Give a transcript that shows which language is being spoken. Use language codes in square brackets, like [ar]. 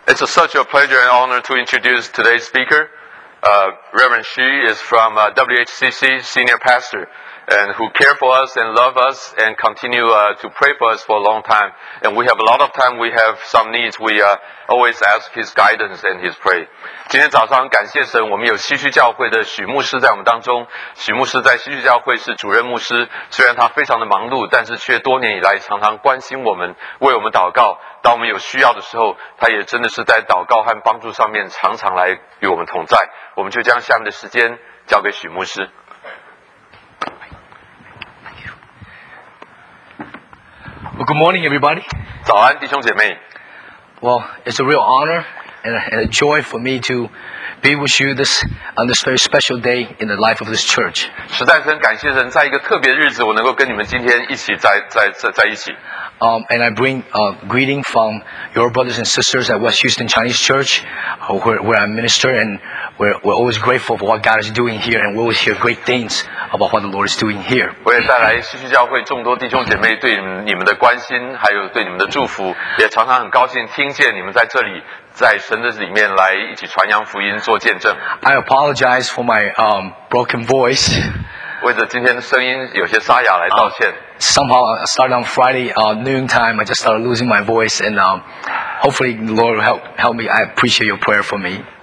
[en] It's a, such a pleasure and honor to introduce today's speaker. Reverend Xu is from WHCC, senior pastor, and who care for us and love us and continue to pray for us for a long time. And we have a lot of time, we have some needs, we always ask his guidance and his prayer. [zh] 今天早上感谢神，我们有西区教会的许牧师在我们当中。许牧师在西区教会是主任牧师， 虽然他非常的忙碌， 但是却多年以来常常关心我们， 为我们祷告。当我们有需要的时候， 他也真的是在祷告和帮助上面常常来与我们同在。我们就将下面的时间交给许牧师。 [en] Well, good morning, everybody. [zh] 早安, 弟兄姐妹。 [en] Well, it's a real honor and a joy for me to be with you this on this very special day in the life of this church. [zh] 实在很感谢神, 在一个特别日子, 我能够跟你们今天一起在一起。 [en] And I bring a greeting from your brothers and sisters at West Houston Chinese Church, where I minister, and we're always grateful for what God is doing here, and we always hear great things about what the Lord is doing here. [zh] 我也带来西区教会众多弟兄姐妹对你们的关心，还有对你们的祝福，也常常很高兴听见你们在这里。在神的里面来一起传扬福音做见证。 [en] I apologize for my broken voice. [zh] 为着今天声音有些沙哑来道歉。 [en] Somehow I started on Friday noon time, I just started losing my voice, and hopefully the Lord will help me. I appreciate your prayer for me.